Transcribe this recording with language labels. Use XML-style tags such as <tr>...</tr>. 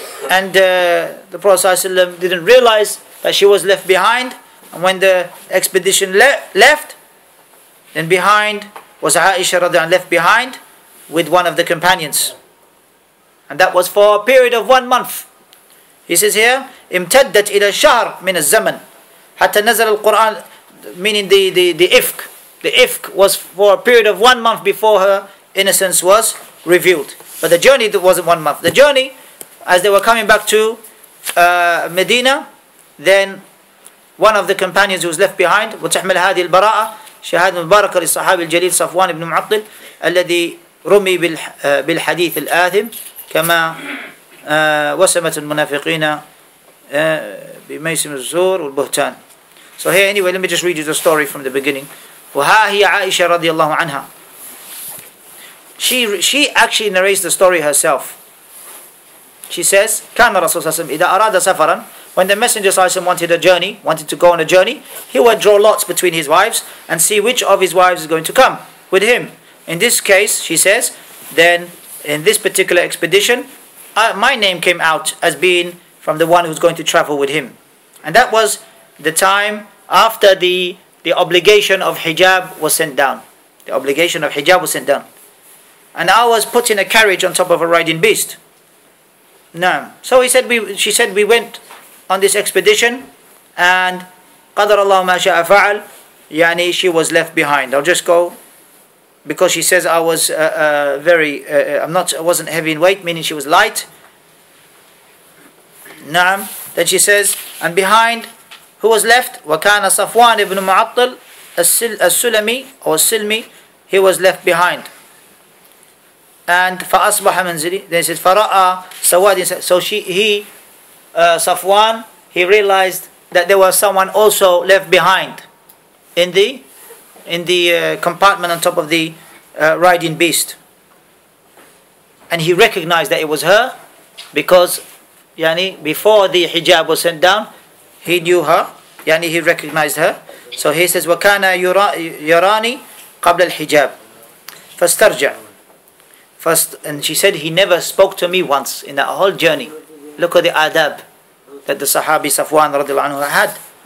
<en>And the Prophet didn't realize that she was left behind, and when the expedition left, then behind was Aisha radiallahu anha, left behind with one of the companions. And that was for a period of 1 month. He says here,</en> <ar>امتدت إلى شهر من الزمن حتى نزل القرآن,</ar> <en>meaning the ifk. The ifk was for a period of 1 month before her innocence was revealed. But the journey wasn't 1 month. The journey, as they were coming back to Medina, then one of the companions who was left behind,</en> <ar>وتحمل هذه البراءة شهادة مباركة للصحابي الجليل صفوان بن معطل الذي رمي بالحديث الآثم كما وسمت المنافقين بميسم الزور والبهتان.</ar> <en>So here anyway, let me just read you the story from the beginning.</en> <ar>وها هي عائشة رضي الله عنها.</ar> <en>She actually narrates the story herself. She says,</en> <ar>كان الرسول صلى الله عليه وسلم إذا أراد سفرا.</ar> <en>When the Messenger wanted to go on a journey, he would draw lots between his wives and see which of his wives is going to come with him. In this case, she says, then in this particular expedition, my name came out as being from the one who's going to travel with him. And that was the time after the obligation of hijab was sent down. The obligation of hijab was sent down. And I was put in a carriage on top of a riding beast. No. So he said, she said, we went on this expedition, and</en> <ar>قَدَرَ اللَّهُ مَا شَاءَ فَعَلْ يعني</ar> <en>she was left behind. I'll just go, because she says I was wasn't heavy in weight, meaning she was light.</en> <ar>نعم.</ar> <en>Then she says, and behind, who was left?</en> <ar>وَكَانَ صَفْوَانِ بْنُ مُعَطَّلْ السُّلَمِي or السِّلْمِي,</ar> <en>he was left behind. And</en> <ar>فَأَصْبَحَ مَنْزِلِي,</ar> <en>then he says,</en> <ar>فَرَأَ سَوَادٍ,</ar> <en>so Safwan, he realized that there was someone also left behind in the compartment on top of the riding beast. And he recognized that it was her because, yani, before the hijab was sent down, he knew her, yani, he recognized her. So he says,</en> <ar>وَكَانَ يُرَانِي قَبْلَ الْحِجَابِ فَاسْتَرْجَعْ.</ar> <en>And she said, he never spoke to me once in that whole journey. Look at the adab that the Sahabi Safwan radiallahu anhu had.</en>